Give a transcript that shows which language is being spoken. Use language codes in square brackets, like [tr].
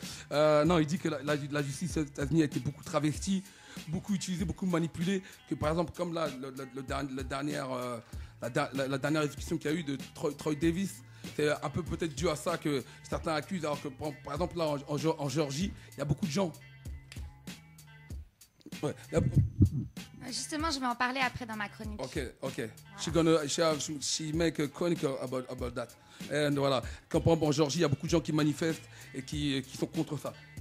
[fr] Non, il dit que la justice aux États-Unis a été beaucoup travestie, beaucoup utilisée, beaucoup manipulée, que par exemple comme la dernière exécution qu'il y a eu de Troy Davis, c'est un peu peut-être dû à ça que certains accusent, alors que par exemple là en Géorgie, il y a beaucoup de gens. Ouais, justement, je vais en parler après dans ma chronique. Ok. Voilà. [en] She make a chronicle about that. And voilà. [fr] Quand par exemple en Géorgie, il y a beaucoup de gens qui manifestent et qui sont contre ça.